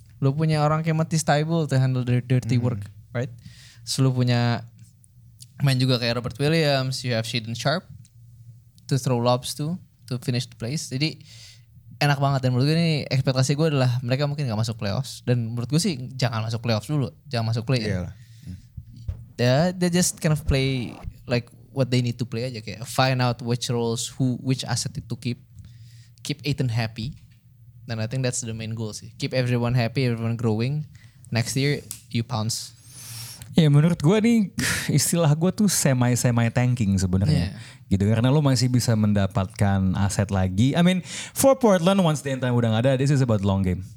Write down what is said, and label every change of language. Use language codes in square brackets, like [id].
[id] Lu punya orang kayak [en] Matisse Thybulle to handle the dirty work, right? [id] So lu punya main juga kayak [en] Robert Williams, you have Shaedon Sharpe to throw lobs to finish the place. [id] Jadi enak banget, dan menurut gue ini ekspektasi gue adalah mereka mungkin gak masuk playoffs. Dan menurut gue sih jangan masuk playoffs dulu, jangan masuk play. [en] They just kind of play like what they need to play aja, kayak find out which roles, which asset to keep. Keep Ayton happy, and I think that's the main goal sih. Keep everyone happy, everyone growing. Next year, you pounce. [id] Ya, menurut gue nih, istilah gue tuh semi-semi tanking sebenarnya. Yeah. Gitu, karena lo masih bisa mendapatkan aset lagi. [en] I mean, for Portland, once the end time [id] udah gak ada, [en] this is about long game.